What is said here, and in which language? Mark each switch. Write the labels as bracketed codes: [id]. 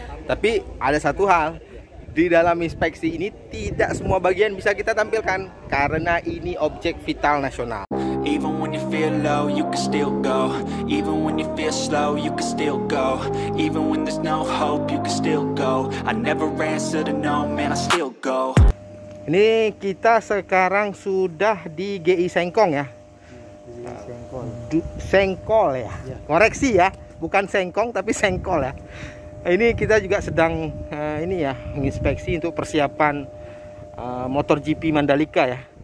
[id] Tapi ada satu hal, di dalam inspeksi ini tidak semua bagian bisa kita tampilkan karena ini objek vital nasional. [en] Even when you feel low, you can still go. Even when you feel slow, you can still go. Even when there's no hope, you can still go. I never answer to no, man, I still go. [id] Ini kita sekarang sudah di GI Sengkol ya. Sengkol ya. Koreksi ya, bukan Sengkol tapi Sengkol ya. Ini kita juga sedang menginspeksi untuk persiapan motor GP Mandalika ya.